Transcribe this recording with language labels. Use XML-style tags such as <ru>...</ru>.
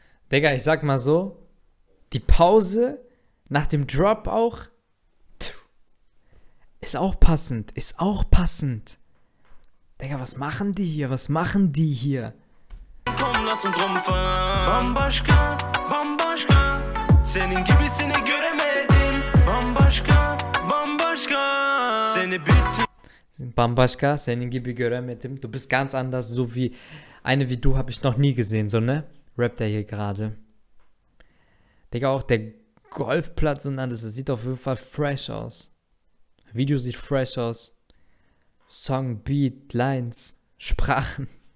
<de>Digga, ich sag mal so, die Pause nach dem Drop auch, ist auch passend. Digga, was machen die hier? Was machen die hier? Komm, lass uns rumfahren.</de> <tr>Bambaşka, bambaşka. Senin gibisini göremedim. Bambaşka, bambaşka. Seni bitte. Bambaşka, senin gibi göremedim.</tr> <de>Du bist ganz anders, so wie eine wie du habe ich noch nie gesehen, so, ne? Rappt er hier gerade. Digga, auch der Golfplatz und alles, das sieht auf jeden Fall fresh aus. Video sieht fresh aus. Song, Beat, Lines, Sprachen.</de>